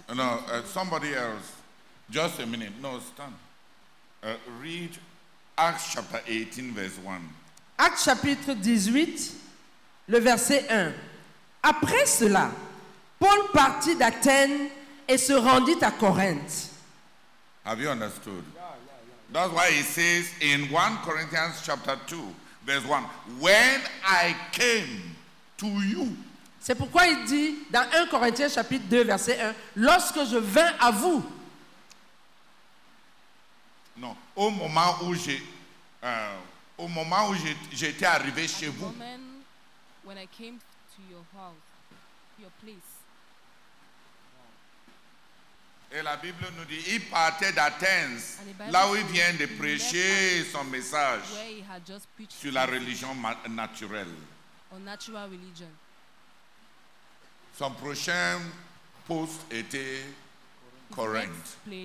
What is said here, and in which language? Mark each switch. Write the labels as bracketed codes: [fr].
[en] No, somebody else. Just a minute. No, stand. Read Acts chapter 18, verse 1. [fr] Acte chapitre 18, le verset 1. Après cela, Paul partit d'Athènes et se rendit à Corinthe. [en] Have you understood? That's why he says in 1 Corinthians chapter 2, verse 1, when I came to you. [fr] C'est pourquoi il dit dans 1 Corinthiens chapitre 2, verset 1, lorsque je vins à vous. Non, au moment où j'ai... Au moment où j'étais arrivé chez vous, [en] when I came to your house, your place. [fr] Et la Bible nous dit, il partait d'Athènes, là où il vient de prêcher son message sur la religion naturelle. [en] Or natural religion. [fr] Son prochain poste était Corinthe.